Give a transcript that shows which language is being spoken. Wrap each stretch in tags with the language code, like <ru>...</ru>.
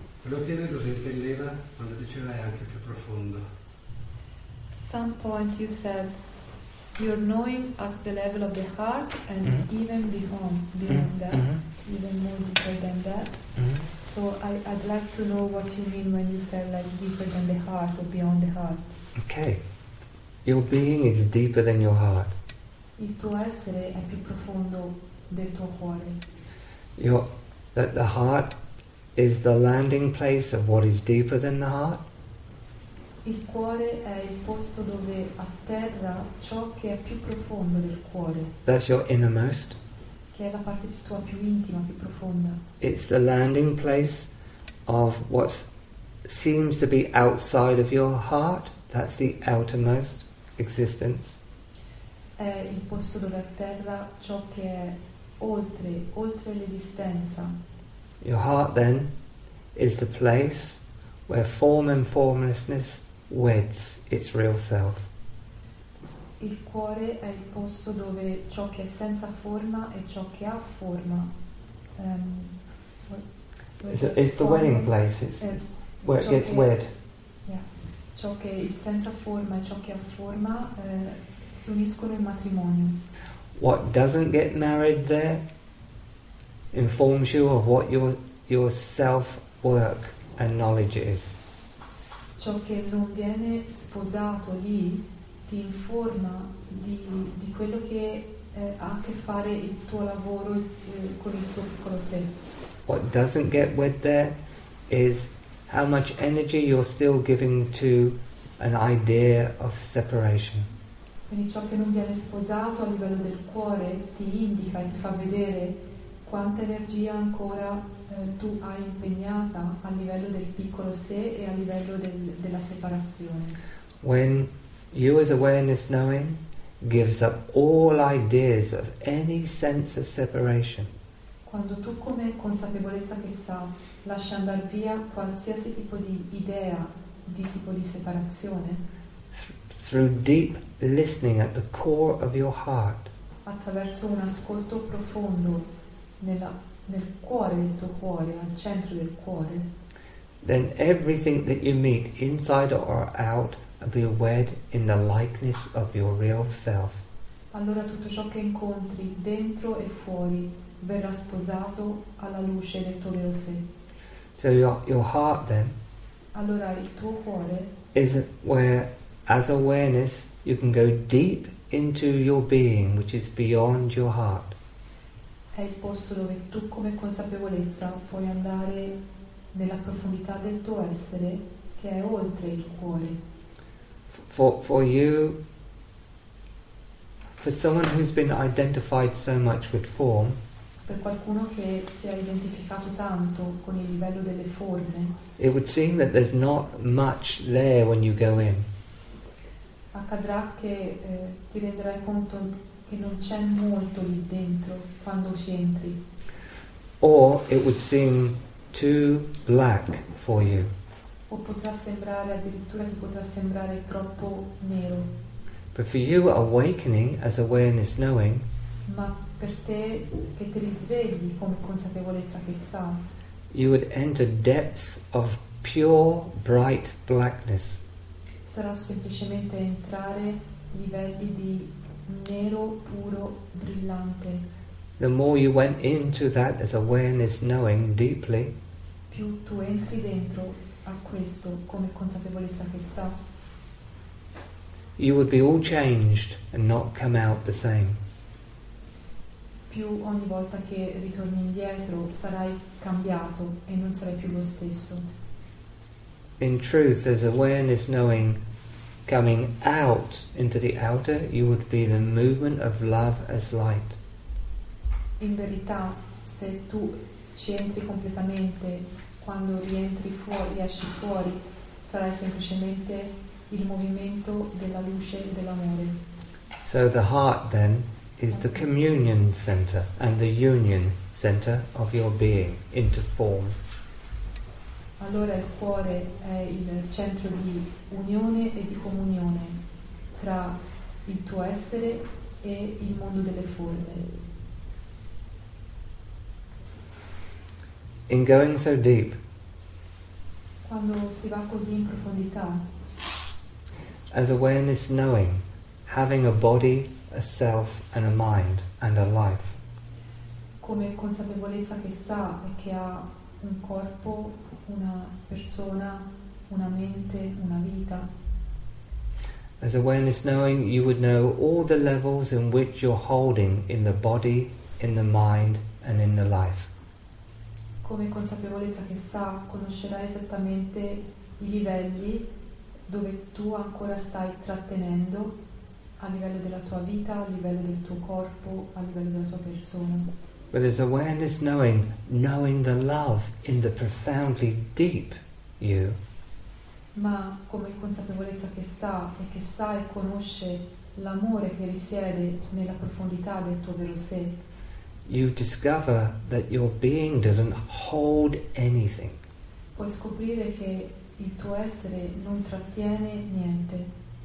<it>Volevo chiedere cosa intendeva quando diceva è anche più profondo.</it> <en>Some point you said you're knowing at the level of the heart and even beyond that, even more deeper than that. So I'd like to know what you mean when you said like deeper than the heart or beyond the heart. Okay. Your being is deeper than your heart.</en> <it>Il tuo essere è più profondo del tuo cuore.</it> <en>That the heart is the landing place of what is deeper than the heart.</en> <it>Il cuore è il posto dove atterra ciò che è più profondo del cuore.</it> <en>That's your innermost.</en> <it>Che è la parte tua più intima, più profonda.</it> <en>It's the landing place of what seems to be outside of your heart. That's the outermost existence.</en> <it>È il posto dove atterra ciò che è oltre l'esistenza.</it> <en>Your heart then is the place where form and formlessness weds its real self.</en> <it>Il cuore è il posto dove ciò che è senza forma e ciò che ha forma.</it> <en>It's the wedding place. It's where it gets wed. Yeah.</en> <it>Ciò che il senza forma e ciò che ha forma si uniscono in matrimonio.</it> <en>What doesn't get married there informs you of what your self-work and knowledge is.</en> <it>Ciò che non viene sposato lì ti informa di quello che ha a che fare il tuo lavoro con il tuo piccolo sé.</it> <en>What doesn't get wed there is how much energy you're still giving to an idea of separation.</en> <it>Quindi ciò che non viene sposato a livello del cuore ti indica e ti fa vedere quanta energia ancora tu hai impegnata a livello del piccolo sé e a livello della separazione.</it> <en>When you as awareness knowing gives up all ideas of any sense of separation.</en> <it>Quando tu come consapevolezza che sa lascia andare via qualsiasi tipo di idea di tipo di separazione.</it> <en>Through deep listening at the core of your heart.</en> <it>Attraverso un ascolto profondo nel cuore del tuo cuore, al centro del cuore.</it> <en>Then everything that you meet, inside or out, will be wed in the likeness of your real self.</en> <it>Allora tutto ciò che incontri dentro e fuori verrà sposato alla luce del tuo real sé.</it> <en>So your heart then.</en> <it>Allora il tuo cuore.</it> <en>Is where, as awareness, you can go deep into your being, which is beyond your heart.</en> <it>è il posto dove tu come consapevolezza puoi andare nella profondità del tuo essere che è oltre il cuore.</it> <en>For you, for someone who's been identified so much with form,</en> <it>per qualcuno che si è identificato tanto con il livello delle forme,</it> <en>it would seem that there's not much there when you go in.</en> <it>Accadrà che ti renderai conto che non c'è molto lì dentro quando ci entri.</it> <en>Or it would seem too black for you.</en> <it>O potrà sembrare, addirittura ti potrà sembrare troppo nero.</it> <en>But for you, awakening as awareness knowing,</en> <it>ma per te che ti risvegli come consapevolezza che sa,</it> <en>you would enter depths of pure bright blackness.</en> <it>Sarà semplicemente entrare livelli di nero puro brillante.</it> <en>The more you went into that as awareness knowing deeply,</en> <it>più tu entri dentro a questo come consapevolezza che sa,</it> <en>you would be all changed and not come out the same.</en> <it>Più ogni volta che ritorni indietro sarai cambiato e non sarai più lo stesso.</it> <en>In truth, as awareness knowing coming out into the outer, you would be the movement of love as light.</en> <it>In verità, se tu ci entri completamente, quando rientri fuori, esci fuori, sarai semplicemente il movimento della luce e dell'amore.</it> <en>So the heart then is the communion center and the union center of your being into form.</en> <it>Allora il cuore è il centro di unione e di comunione tra il tuo essere e il mondo delle forme.</it> <en>In going so deep,</en> <it>quando si va così in profondità,</it> <en>as awareness knowing, having a body, a self and a mind and a life,</en> <it>come consapevolezza che sa e che ha un corpo, una persona, una mente, una vita.</it> <en>As awareness knowing, you would know all the levels in which you're holding in the body, in the mind, and in the life.</en> <it>Come consapevolezza che sa, conoscerai esattamente i livelli dove tu ancora stai trattenendo a livello della tua vita, a livello del tuo corpo, a livello della tua persona.</it> <en>But as awareness knowing, knowing the love in the profoundly deep you,</en> <it>ma come consapevolezza che sa e che sa e conosce l'amore che risiede nella profondità del tuo vero sé,</it> <en>you discover that your being doesn't hold anything.</en> <it>Puoi scoprire che il tuo essere non trattiene niente.</it>